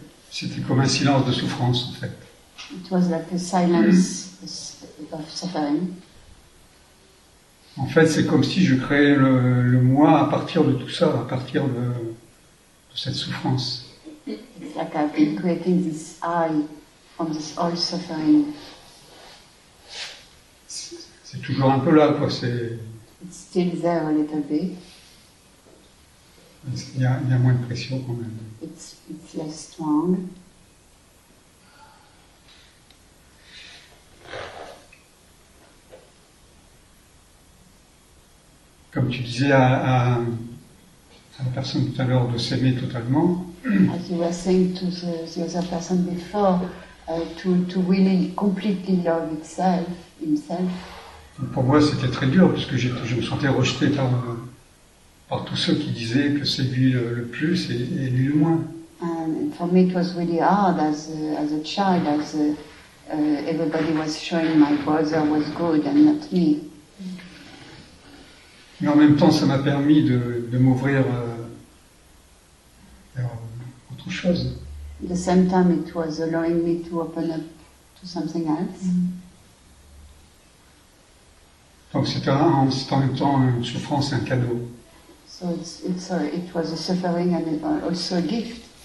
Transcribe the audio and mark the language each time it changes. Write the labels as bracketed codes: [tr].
[fr] C'était comme un silence de souffrance, en fait. [en] It was like a silence of suffering. [fr] En fait, c'est comme si je créais le moi à partir de tout ça, à partir de cette souffrance. [en] It's like I've been creating this I from this whole suffering. [fr] C'est toujours un peu là, quoi. C'est... [en] It's still there a little bit. [fr] Il y a moins de pression quand même. [en] It's less strong. [fr] Comme tu disais à la personne tout à l'heure de s'aimer totalement. [en] As you were saying to the other person before, to really completely love itself, himself. [fr] Pour moi, c'était très dur parce que je me sentais rejeté par tous ceux qui disaient que c'est lui le plus et lui le moins. [en] And for me, it was really hard as a child, as everybody was showing my brother was good and not me. [fr] Mais en même temps, ça m'a permis de m'ouvrir à autre chose. [en] At the same time, it was allowing me to open up to something else. [fr] Donc c'était en même temps une souffrance et un cadeau. [en] So it was a suffering and also a gift.